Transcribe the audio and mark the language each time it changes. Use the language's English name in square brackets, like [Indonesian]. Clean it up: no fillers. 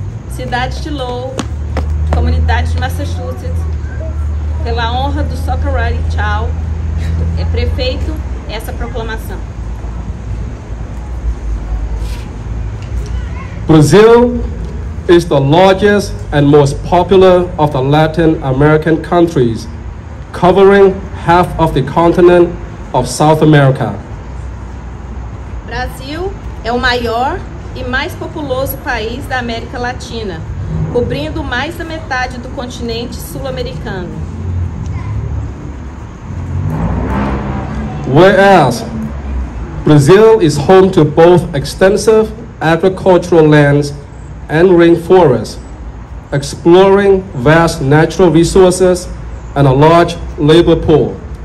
[Portuguese] Cidade de Lowell, comunidade de Massachusetts, pela honra do Sakari Chow, é prefeito essa proclamação. [English] Brazil is the largest and most popular of the Latin American countries, covering half of the continent of South America. [Portuguese] Brasil é o maior e mais populoso país da América Latina, cobrindo mais da metade do continente sul-americano. [English] Whereas Brazil is home to both extensive agricultural lands and rainforests, exploring vast natural resources and a large labor pool.